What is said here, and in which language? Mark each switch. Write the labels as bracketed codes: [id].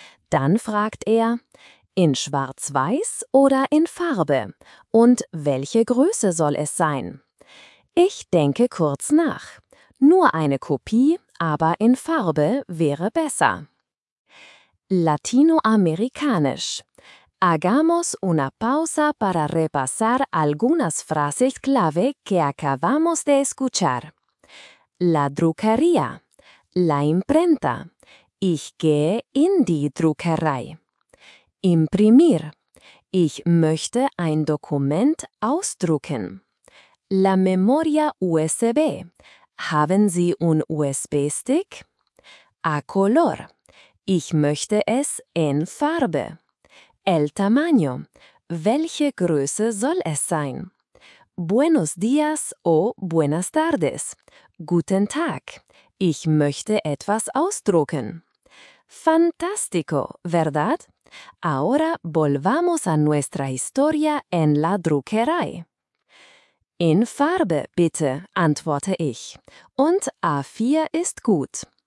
[de] Dann fragt er, in Schwarz-Weiß oder in Farbe? Und welche Größe soll es sein? Ich denke kurz nach. Nur eine Kopie, aber in Farbe wäre besser. [es] Latinoamericanisch. Hagamos una pausa para repasar algunas frases clave que acabamos de escuchar. La Druckería. La Imprenta. [de] Ich gehe in die Druckerei. Imprimir. Ich möchte ein Dokument ausdrucken. [es] La Memoria USB. [de] Haben Sie [es] un USB-Stick? A color. [de] Ich möchte es in Farbe. [es] El tamaño. [de] Welche Größe soll es sein? [es] Buenos días o buenas tardes. [de] Guten Tag. Ich möchte etwas ausdrucken. [es] Fantástico, ¿verdad? Ahora volvamos a nuestra historia en la Druckerei. [de] In Farbe, bitte, antworte ich. Und A4 ist gut.